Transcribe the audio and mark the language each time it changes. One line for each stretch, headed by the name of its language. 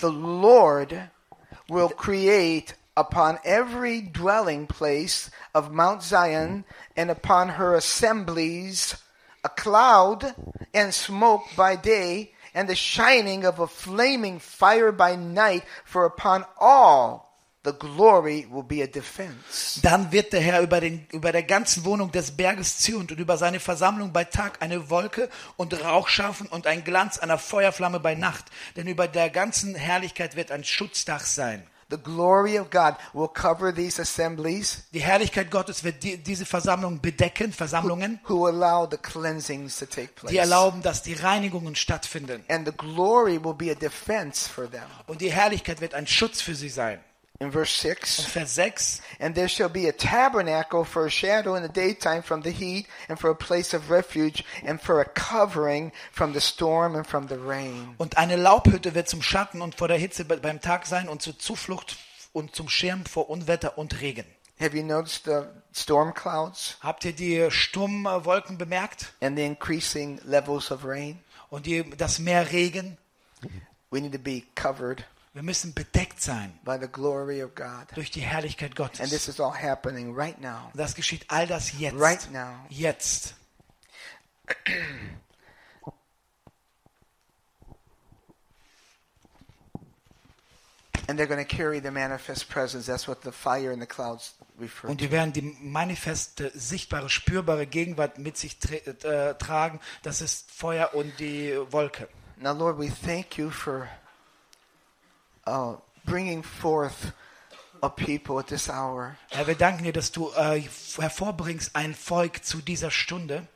English: The Lord will create upon every dwelling place of Mount Zion and upon her assemblies a cloud and smoke by day and the shining of a flaming fire by night, for upon all the glory will be a defense.
German: Dann wird der Herr über der ganzen Wohnung des Berges Zion und über seine Versammlung bei Tag eine Wolke und Rauch schaffen und ein Glanz einer Feuerflamme bei Nacht, denn über der ganzen Herrlichkeit wird ein Schutzdach sein.
English: The glory of God will cover these assemblies.
German: Die Herrlichkeit Gottes wird diese Versammlungen bedecken, Versammlungen.
English: Who allow the cleansings to take place.
German: Die erlauben, dass die Reinigungen stattfinden.
English: And the glory will be a defense for them.
German: Und die Herrlichkeit wird ein Schutz für sie sein.
English: In verse 6.
German: Vers 6.
English: And there shall be a tabernacle for a shadow in the daytime from the heat and for a place of refuge and for a covering from the storm and from the rain.
German: Und eine Laubhütte wird zum Schatten und vor der Hitze beim Tag sein und zur Zuflucht und zum Schirm vor Unwetter und Regen.
English: Have you noticed the storm clouds?
German: Habt ihr die Sturmwolken bemerkt?
English: And the increasing levels of rain?
German: Und die, das mehr Regen?
English: We need to be covered.
German: Wir müssen bedeckt sein
English: by the glory of God.
German: Durch die Herrlichkeit Gottes.
English: And this is all happening right now.
German: Das geschieht all das jetzt.
English: Right now.
German: Jetzt.
English: And they're going to carry the manifest presence. That's what the fire and the clouds refer to.
German: Und die werden die manifeste, sichtbare, spürbare Gegenwart mit sich tragen. Das ist Feuer und die Wolke.
English: Now, Lord, we thank you for bringing forth a people at this hour.
German: Herr, wir danken dir, dass du hervorbringst ein Volk zu dieser Stunde.